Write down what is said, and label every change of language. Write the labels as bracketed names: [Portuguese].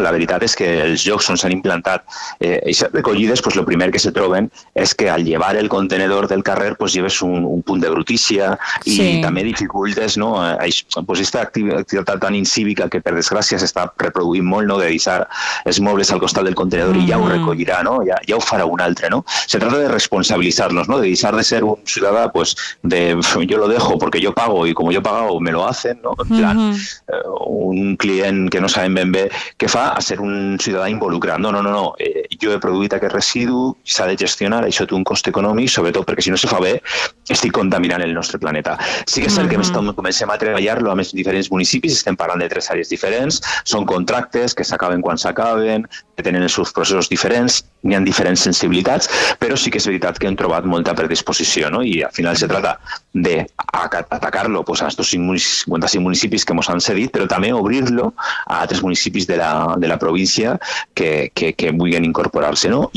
[Catalan] La veritat és que els llocs on s'han implantat aquestes recollides, pues, el primer que se troben és que al llevar el contenedor del carrer pues, lleves un punt de brutícia i també dificultes, no? Pues, aquesta activitat tan incívica que per desgràcia s'està reproduint molt, no?, de deixar els mobles al costat del contenedor i ja ho recollirà, no? Ja ho farà un altre, no? Se trata de responsabilitzar-nos, no? De deixar de ser un ciutadà, pues, de [Spanish] jo lo dejo porque yo pago y como yo pago me lo hacen, [Catalan] no? En plan, un client que no saben ben bé què fa, a ser un ciutadà involucrat. No, jo he produït aquest residu, s'ha de gestionar, això té un cost econòmic, sobretot perquè si no se fa bé, estic contaminant el nostre planeta. Sí que és el que comencem a treballar-lo amb els diferents municipis, estem parlant de tres àrees diferents, són contractes que s'acaben quan s'acaben, que tenen els seus processos diferents, n'hi ha diferents sensibilitats, però sí que és veritat que hem trobat molta predisposició, no? I al final se trata d'atacar-lo pues, a aquests 55 municipis que ens han cedit, però també obrir-lo a altres municipis de la província que vulguin incorporar-se, no?